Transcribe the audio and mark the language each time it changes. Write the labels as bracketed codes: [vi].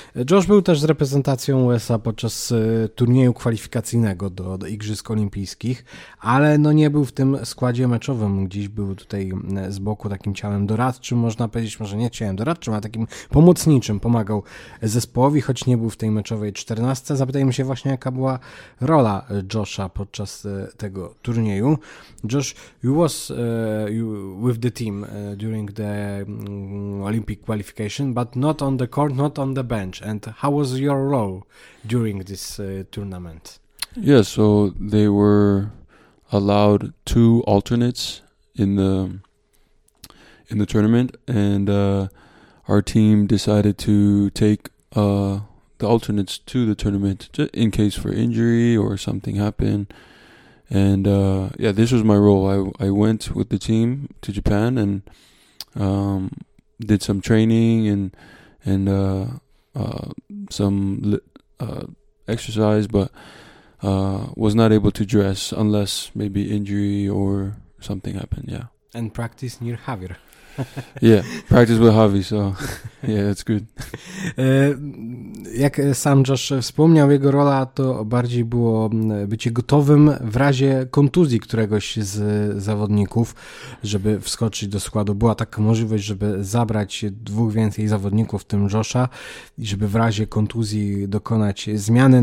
[pl] Josh był też z reprezentacją USA podczas turnieju kwalifikacyjnego do Igrzysk Olimpijskich, ale no nie był w tym składzie meczowym. Gdzieś był tutaj z boku takim ciałem doradczym, można powiedzieć, może nie ciałem doradczym, a takim pomocniczym, pomagał zespołowi, choć nie był w tej meczowej 14. Zapytajmy się właśnie, jaka była rola Josha podczas tego turnieju. [en] Josh, you was with the team during the Olympic qualification, but not on the court, not on the bench. And how was your role during this tournament? Yeah, so they were allowed two alternates in the tournament, and our team decided to take the alternates to the tournament in case for injury or something happened. And this was my role. I went with the team to Japan and did some training and some exercise, but was not able to dress unless maybe injury or something happened, yeah. And practice near Javier. Yeah, practice with Javi, so yeah, that's good. [pl] Jak sam Josh wspomniał, jego rola to bardziej było bycie gotowym w razie kontuzji któregoś z zawodników, żeby wskoczyć do składu. Była taka możliwość, żeby zabrać dwóch więcej zawodników, w tym Josha, i żeby w razie kontuzji dokonać zmiany.